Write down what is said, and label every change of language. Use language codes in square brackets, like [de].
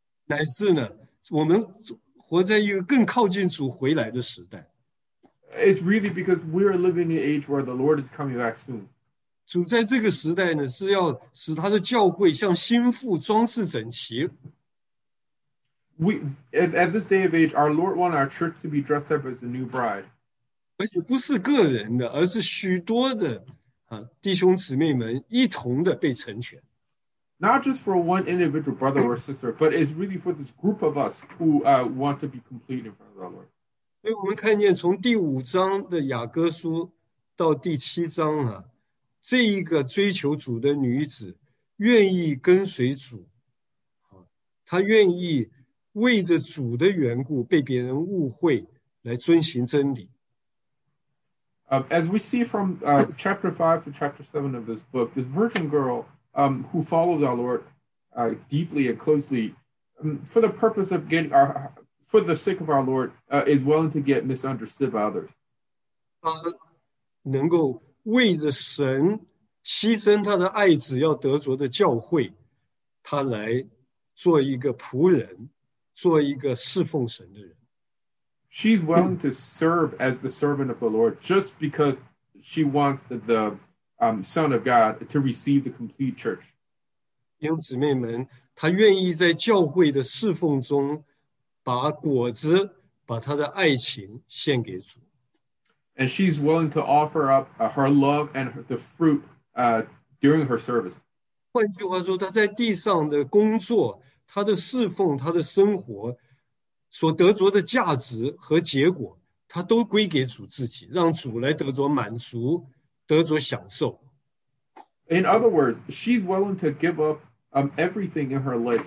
[zh] 乃是呢，我们活在一个更靠近主回来的时代。 [en] It's really because we are living in an age where the Lord is coming back soon. [zh] 主在这个时代呢，是要使他的教会像心腹装饰整齐。 [en] We, at this day of age, our Lord wants our church to be dressed up as a new bride. [zh] 而且不是个人的，而是许多的弟兄姊妹们一同的被成全。 [en] Not just for one individual brother or sister, but it's really for this group of us who want to be complete in front of our Lord. [zh] 所以我们看见从第五章的雅各书到第七章啊，这一个追求主的女子愿意跟随主，她愿意为着主的缘故被别人误会来遵行真理。 [en] As we see from chapter 5 to chapter 7 of this book, this virgin girl who follows our Lord deeply and closely for the purpose of getting our, for the sake of our Lord, is willing to get misunderstood by others. [zh] 能够为着神牺牲他的爱子要得着的教会，他来做一个仆人，做一个侍奉神的人。 [en] She's willing to serve as the servant of the Lord just because she wants the Son of God to receive the complete church. [zh] 弟兄姊妹们，她愿意在教会的侍奉中把果子，把她的爱情献给主。 [en] And she's willing to offer up her love and the fruit during her service. [zh] 换句话说，她在地上的工作，他的侍奉，他的生活所得着的价值和结果，他都归给主自己，让主来得着满足，得着享受。 [en] In other words, she's willing to give up everything in her life.